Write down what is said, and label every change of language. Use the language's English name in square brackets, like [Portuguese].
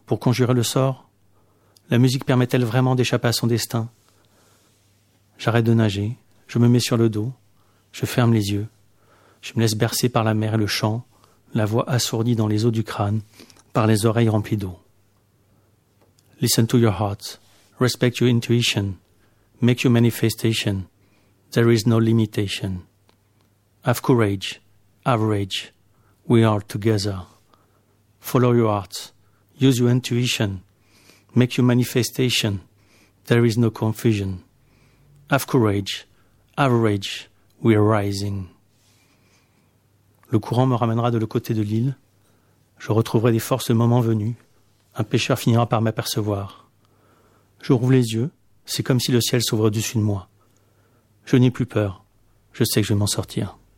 [French] Pour conjurer le sort, la musique permet-elle vraiment d'échapper à son destin ? J'arrête de nager, je me mets sur le dos, je ferme les yeux. Je me laisse bercer par la mer et le chant, la voix assourdie dans les os du crâne, par les oreilles remplies d'eau. [English] Listen to your heart, respect your intuition, make your manifestation, there is no limitation. Have courage, have rage, we are together. Follow your heart, use your intuition, make your manifestation, there is no confusion. Have courage, have rage, we are rising. [French] Le courant me ramènera de le côté de l'île, je retrouverai des forces le moment venu. Un pêcheur finira par m'apercevoir. Je rouvre les yeux, c'est comme si le ciel s'ouvre au-dessus de moi. Je n'ai plus peur, je sais que je vais m'en sortir.